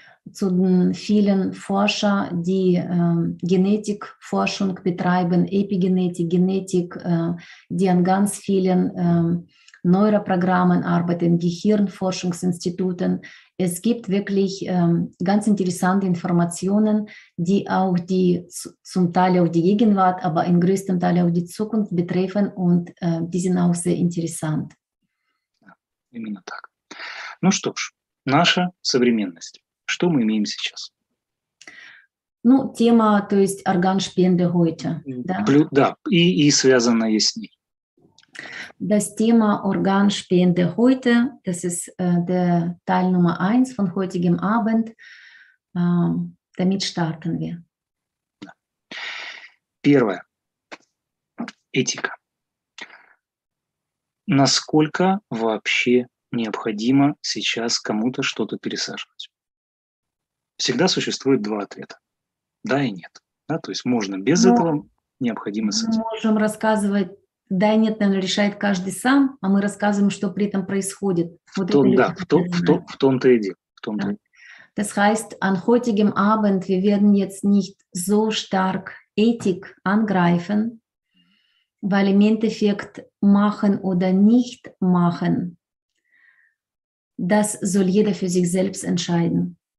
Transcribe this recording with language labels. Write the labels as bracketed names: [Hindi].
[German] zu den vielen Forschern, die Genetikforschung betreiben, Epigenetik, Genetik, die an ganz vielen Neuroprogrammen arbeiten, Gehirnforschungsinstituten. Es gibt wirklich ganz interessante Informationen, die auch die zum Teil auch die Gegenwart, aber in größtem Teil auch die Zukunft betreffen, und die sind auch sehr interessant. [Russian] Именно так. Ну что ж, наша современность. Что мы имеем сейчас? Ну, тема, то есть, органспенде [German] heute. [Russian] Да, и связанная с ней. [German] Das Thema Organspende heute, das ist der Teil Nummer 1 von heutigem Abend. Damit starten wir. [Russian] Первое. Этика. Насколько вообще необходимо сейчас кому-то что-то пересаживать? Всегда существует два ответа. Да и нет. Да, то есть можно без этого, необходимо с этим. Мы можем рассказывать, да и нет, наверное, решает каждый сам, а мы рассказываем, что при этом происходит. Вот то, это да, в том-то и дело. Да. [German] Das heißt, an heutigem Abend wir werden jetzt nicht so stark Ethik angreifen, weil im Endeffekt machen oder nicht machen, das soll jeder für sich selbst entscheiden.